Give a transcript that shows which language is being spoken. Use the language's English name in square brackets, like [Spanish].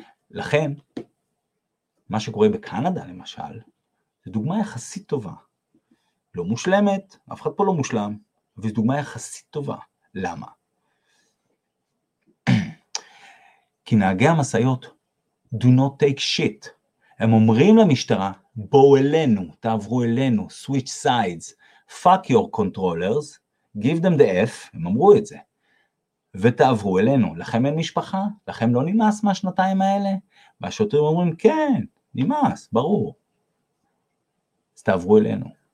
[Hebrew] לכן, מה שקורה בקנדה למשל, זה דוגמה יחסית טובה. לא מושלמת, אף אחד פה לא מושלם, וזה דוגמה יחסית טובה. למה? כי נהגי המסעיות, [English] do not take shit. [Hebrew] הם אומרים למשטרה, בואו אלינו, תעברו אלינו, [English] switch sides, fuck your controllers, give them the F, [Hebrew] הם אמרו את זה, ותעברו אלינו, לכם אין משפחה? לכם לא נמאס מהשנתיים האלה? והשוטרים אומרים, כן, נמאס, ברור. אז תעברו אלינו.